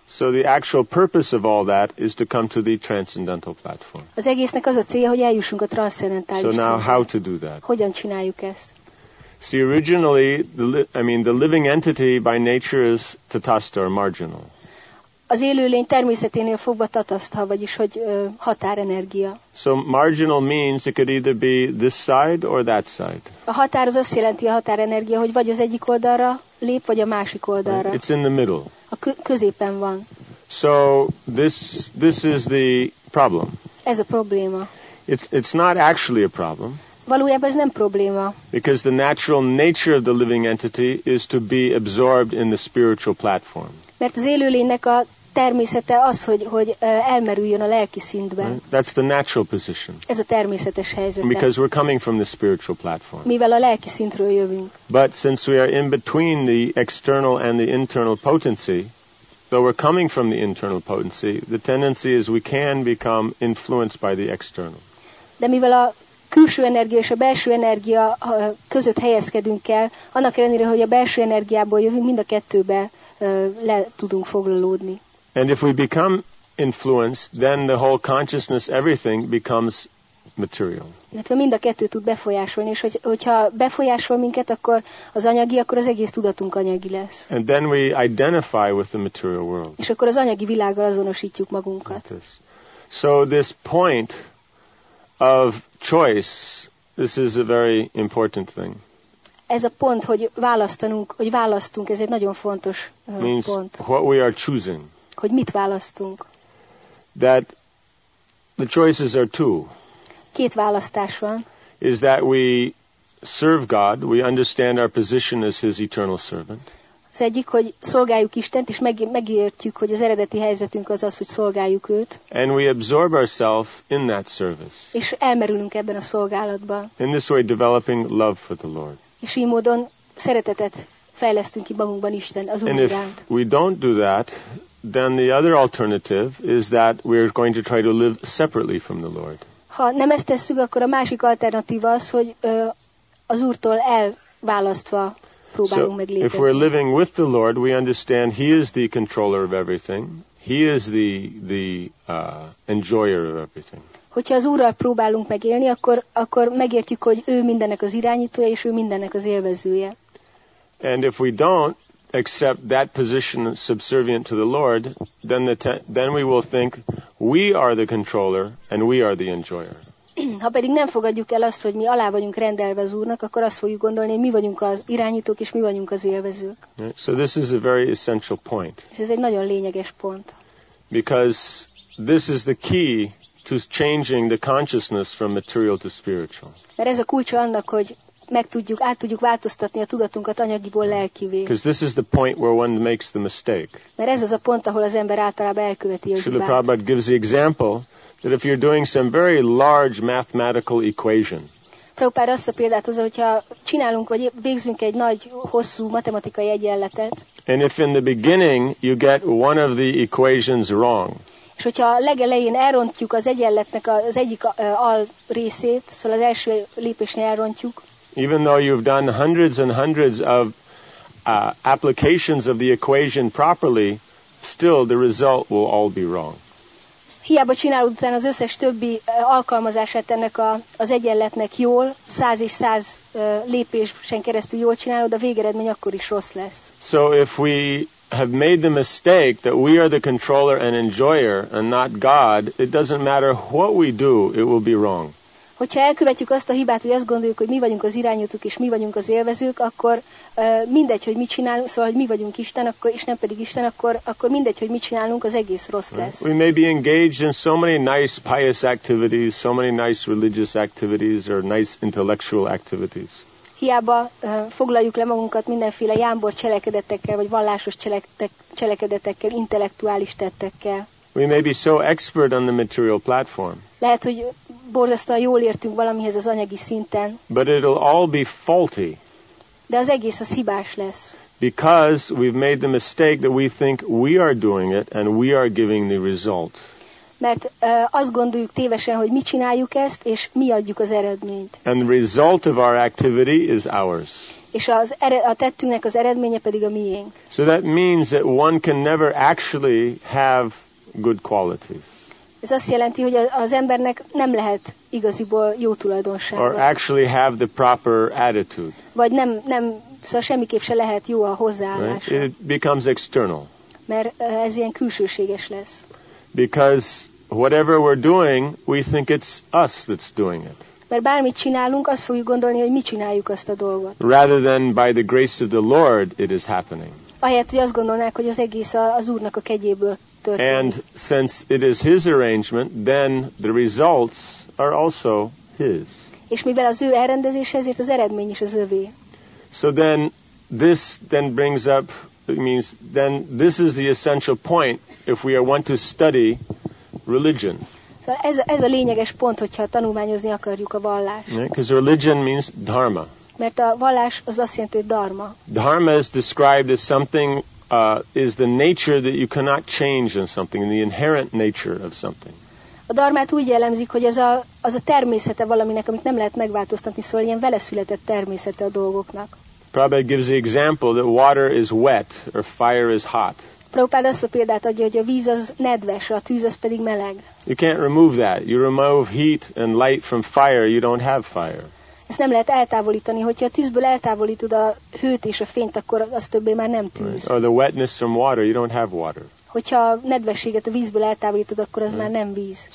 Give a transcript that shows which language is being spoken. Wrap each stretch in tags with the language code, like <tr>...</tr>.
<en>So the actual purpose of all that is to come to the transcendental platform.</en> <hu>Az egésznek az a célja, hogy eljussunk a transzcendentális szintre.</hu> <en>So now how to do that?</en> <hu>Hogyan csináljuk ezt?</hu> <en>See, originally, the living entity by nature is tatasta or marginal.</en> <hu>Az élőlény természeténél fogva tatasta, vagyis hogy határenergia.</hu> <en>So marginal means it could either be this side or that side.</en> <hu>A határ az azt jelenti a határenergia, hogy vagy az egyik oldalra lép, vagy a másik oldalra.</hu> <en>It's in the middle.</en> <hu>A középen van.</hu> <en>So this is the problem.</en> <hu>Ez a probléma.</hu> <en>It's not actually a problem.</en> <hu>Valójában ez nem probléma.</hu> <en>Because the natural nature of the living entity is to be absorbed in the spiritual platform.</en> <hu>Mert az élőlénynek a természete az, hogy elmerüljön a lelki szintben.</hu> <en>Right? That's the natural position.</en> <hu>Ez a természetes helyzet.</hu> <en>Because we're coming from the spiritual platform.</en> <hu>Mivel a lelki szintről jövünk.</hu> <en>But since we are in between the external and the internal potency, though we're coming from the internal potency, the tendency is we can become influenced by the external.</en> <hu>De mivel a külső energia és a belső energia között helyezkedünk el, annak ellenére, hogy a belső energiából jövünk, mind a kettőbe le tudunk foglalódni.</hu> <en>And if we become influenced, then the whole consciousness, everything becomes material.</en> <hu>Illetve mind a kettő tud befolyásolni, és hogyha befolyásol minket, akkor az anyagi, akkor az egész tudatunk anyagi lesz.</hu> <en>And then we identify with the material world.</en> <hu>És akkor az anyagi világgal azonosítjuk magunkat.</hu> <en>So this point of choice, this is a very important thing.</en> <hu>Ez a pont, hogy választunk, ez egy nagyon fontos</hu> <en>means</en> <hu>pont.</hu> <en>What we are choosing.</en> <hu>Hogy mit választunk.</hu> <en>That the choices are two.</en> <hu>Két választás van.</hu> <en>Is that we serve God, we understand our position as his eternal servant.</en> <hu>az egyik, hogy szolgáljuk Istent, és megértjük, hogy az eredeti helyzetünk az az, hogy szolgáljuk őt.</hu> <en>And we absorb ourselves in that service.</en> <hu>És elmerülünk ebben a szolgálatban.</hu> <en>In this way developing love for the Lord.</en> <hu>És így módon szeretetet fejlesztünk ki magunkban Isten az Úr iránt.</hu> <en>And if we don't do that, then the other alternative is that we're going to try to live separately from the Lord.</en> <hu>Ha nem ezt tesszük, akkor a másik alternatíva az, hogy az Úrtól elválasztva próbálunk meglépni.</hu> <en>So if we're living with the Lord, we understand He is the controller of everything. He is the enjoyer of everything.</en> <hu>Hogyha az Úrral próbálunk megélni, akkor megértjük, hogy ő mindennek az irányítója és ő mindennek az élvezője.</hu> <en>And if we don't accept that position subservient to the Lord, then we will think we are the controller and we are the enjoyer.</en> <hu>Ha pedig nem fogadjuk el azt, hogy mi alá vagyunk rendelve az Úrnak, akkor azt fogjuk gondolni, hogy mi vagyunk az irányítók és mi vagyunk az élvezők.</hu> <en>So this is a very essential point.</en> <hu>És ez egy nagyon lényeges pont.</hu> <en>Because this is the key to changing the consciousness from material to spiritual.</en> <hu>Mert ez a kulcsa annak, hogy át tudjuk változtatni a tudatunkat anyagiból lelkivé.</hu> <en>Because this is the point where one makes the mistake.</en> <hu>Mert ez az a pont, ahol az ember általában elköveti a hibát.</hu> <en>Srila Prabhupada gives the example that if you're doing some very large mathematical equation.</en> <hu>Prabhupada azt a példát hozza, hogyha csinálunk vagy végzünk egy nagy hosszú matematikai egyenletet.</hu> <en>And if in the beginning you get one of the equations wrong.</en> <hu>És hogyha a legelején elrontjuk az egyenletnek az egyik al részét, szóval az első lépésnél elrontjuk.</hu> <en>Even though you've done hundreds and hundreds of applications of the equation properly, still the result will all be wrong.</en> <hu>Hiába csinálod utána az összes többi alkalmazását ennek az egyenletnek jól, száz és száz lépésen keresztül jól csinálod, a végeredmény akkor is rossz lesz.</hu> <en>So if we have made the mistake that we are the controller and enjoyer and not God, it doesn't matter what we do, it will be wrong.</en> <hu>Hogyha elkövetjük azt a hibát, hogy azt gondoljuk, hogy mi vagyunk az irányítók és mi vagyunk az élvezők, akkor mindegy, hogy mit csinálunk, szóval hogy mi vagyunk Isten, akkor és nem pedig Isten, akkor mindegy, hogy mit csinálunk, az egész rossz lesz.</hu> <en>We may be engaged in so many nice pious activities, so many nice religious activities or nice intellectual activities.</en> <hu>Hiába foglaljuk le magunkat mindenféle jámbor cselekedetekkel vagy vallásos cselekedetekkel, intellektuális tettekkel.</hu> <en>We may be so expert on the material platform.</en> <hu>Lehet, hogy borzasztóan jól értünk valamihez az anyagi szinten.</hu> <en>But it'll all be faulty.</en> <hu>De az egész az hibás lesz.</hu> <en>Because we've made the mistake that we think we are doing it and we are giving the result.</en> <hu>Mert azt gondoljuk tévesen, hogy mi csináljuk ezt és mi adjuk az eredményt.</hu> <en>And the result of our activity is ours.</en> <hu>És az a tettünknek az eredménye pedig a miénk.</hu> <en>So that means that one can never actually have good qualities.</en> <hu>Ez azt jelenti, hogy az embernek nem lehet igaziból jó tulajdonsága.</hu> <en>Or actually have the proper attitude.</en> <hu>Vagy nem, szóval semmiképp se lehet jó a hozzáállása.</hu> <en>Right? It becomes external.</en> <hu>Mert ez ilyen külsőséges lesz.</hu> <en>Because whatever we're doing, we think it's us that's doing it.</en> <hu>Mert bármit csinálunk, azt fogjuk gondolni, hogy mi csináljuk azt a dolgot.</hu> <en>Rather than by the grace of the Lord, it is happening.</en> <hu>Ahelyett, hogy azt gondolnák, hogy az egész az Úrnak a kegyéből.</hu> <en>And since it is his arrangement, then the results are also his.</en> <hu>És mivel az ő elrendezése, ezért az eredmény is az övé.</hu> <en>So then this then brings up, it means then this is the essential point if we want to study religion.</en> <hu>Szóval ez a lényeges pont, hogyha tanulmányozni akarjuk a vallást.</hu> <en>Because religion means dharma.</en> <hu>Mert a vallás az azt jelenti, hogy dharma.</hu> <en>Dharma is described as something is the nature that you cannot change in something, the inherent nature of something.</en> <hu>A dharmát úgy jellemzik, hogy az a természete valaminek, amit nem lehet megváltoztatni, szóval ilyen veleszületett természete a dolgoknak.</hu> <en>Prabhupada gives the example that water is wet or fire is hot.</en> <hu>Prabhupada azt a példát adja, hogy a víz az nedves, a tűz az pedig meleg.</hu> <en>You can't remove that. You remove heat and light from fire, you don't have fire.</en> <hu>Ezt nem lehet eltávolítani, hogyha a tűzből eltávolítod a hőt és a fényt, akkor az többé már nem tűz.</hu> <en>Right. Or the wetness from water, you don't have water.</en> <hu>Hogyha a nedvességet a vízből eltávolítod, akkor az már nem víz.</hu>